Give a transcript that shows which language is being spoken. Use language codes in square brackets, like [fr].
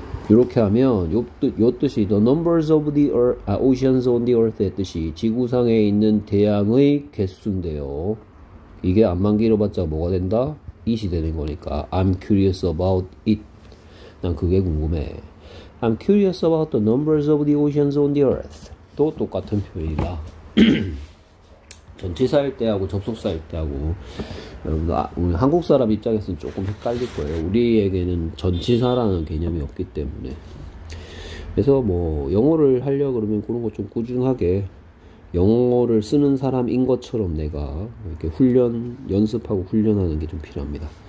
[ko] 이렇게 하면 요 뜻이 [en] the numbers of the earth, [ko] oceans on the earth의 뜻이 지구상에 있는 대양의 개수인데요. 이게 암만 길어봤자 뭐가 된다? it이 되는 거니까 [en] I'm curious about it. [ko] 난 그게 궁금해. [en] I'm curious about the numbers of the oceans on the earth. [ko] 또 똑같은 표현이다. 전치사일 때하고 접속사일 때하고 여러분들 우리 한국 사람 입장에서는 조금 헷갈릴 거예요. 우리에게는 전치사라는 개념이 없기 때문에 그래서 뭐 영어를 하려고 그러면 그런 거좀 꾸준하게 영어를 쓰는 사람인 것처럼 내가 이렇게 연습하고 훈련하는 게좀 필요합니다.